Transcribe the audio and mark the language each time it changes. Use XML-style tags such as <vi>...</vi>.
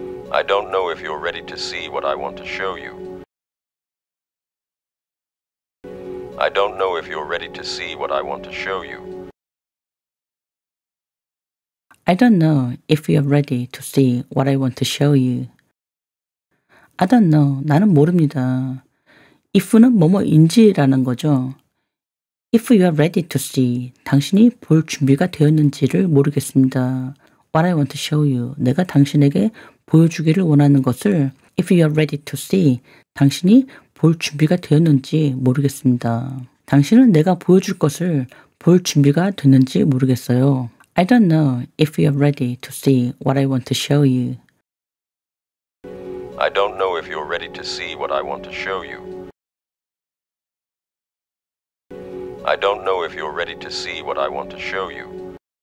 <en>I don't know if you're ready to see what I want to show you. I don't know if you're ready to see what I want to show you. I don't know if you're ready to see what I want to show you. I don't know.</en> <ko>나는 모릅니다. If는 뭐뭐인지라는 거죠.</ko> <en>If you are ready to see,</en> <ko>당신이 볼 준비가 되었는지를 모르겠습니다.</ko> <en>What I want to show you,</en> <ko>내가 당신에게 보여주기를 원하는 것을</ko> <en>If you are ready to see,</en> <ko>당신이 볼 준비가 되었는지 모르겠습니다. 당신은 내가 보여줄 것을 볼 준비가 됐는지 모르겠어요.</ko> <en>I don't know if you are ready to see what I want to show you. I don't know if you're ready to see what I want to show you. I don't know if you're ready to see what I want to show you.</en>